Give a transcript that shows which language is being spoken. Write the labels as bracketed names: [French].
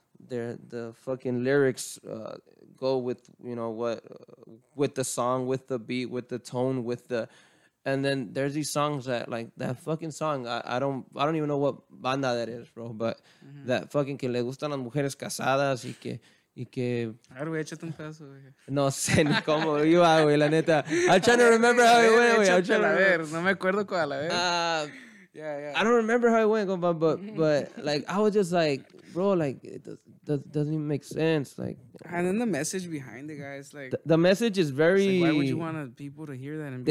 [English] The fucking lyrics go with, you know, what, with the song, with the beat, with the tone, with the... And then there's these songs that, like, that fucking song, I don't even know what banda that is, bro, but that fucking [Spanish] que le gustan las mujeres casadas y que... A ver, güey, échate un pedazo, güey. No sé ni cómo iba, güey, la neta. [English] I'm trying to remember how it went, güey. [Spanish] No me acuerdo cuál, a ver. [English] I don't remember how it went, compa, but like, I was just like, bro, like, it doesn't even make sense, like. And then the message behind the guy is like. The message is very. Like, why would you want people to hear that and be